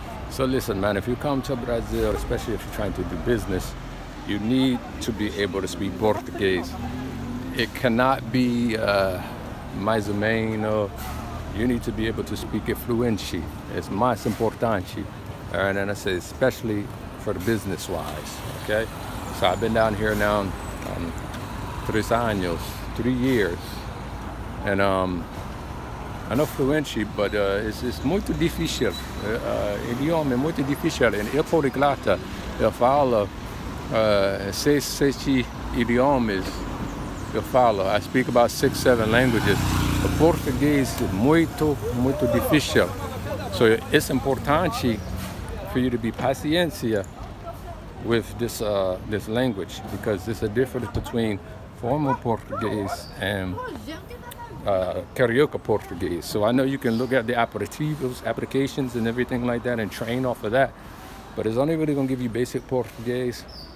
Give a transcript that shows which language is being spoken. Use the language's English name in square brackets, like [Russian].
[English] So listen, man, if you come to Brazil, especially if you're trying to do business, you need to be able to speak Portuguese. It cannot be [Portuguese] mais ou menos. [English] You need to be able to speak it fluently. It's [Portuguese] mais importante. [English] And then I say, especially for the business-wise, okay? So I've been down here now 3 years. And I know fluency, but it's [Portuguese] muito difícil. Idioma é muito difícil. And eu falo claro, eu falo sete idiomas. Eu falo, [English] I speak about 6-7 languages. [Portuguese] O português é muito, muito difícil. [English] So it's importante for you to be paciência with this this language, because there's a difference between formal Portuguese and carioca Portuguese. So I know you can look at the aperitivos, applications and everything like that and train off of that, but it's only really gonna give you basic Portuguese.